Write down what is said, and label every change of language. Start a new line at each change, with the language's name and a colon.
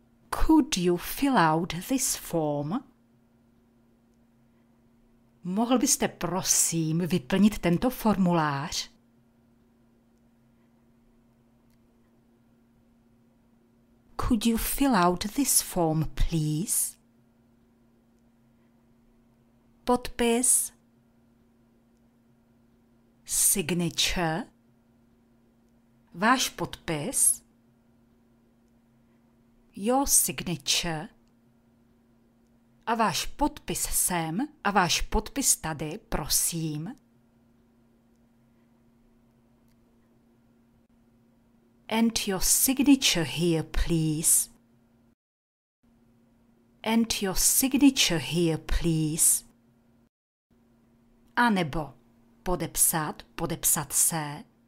English: Could you fill out this form?
Czech: Mohl byste prosím vyplnit tento formulář?
English: Could you fill out this form, please?
Czech: Podpis,
English: signature,
Czech: váš podpis,
English: your signature,
Czech: a váš podpis sem, a váš podpis tady, prosím.
English: And your signature here, please. And your signature here, please.
Czech: A nebo podepsat, podepsat se.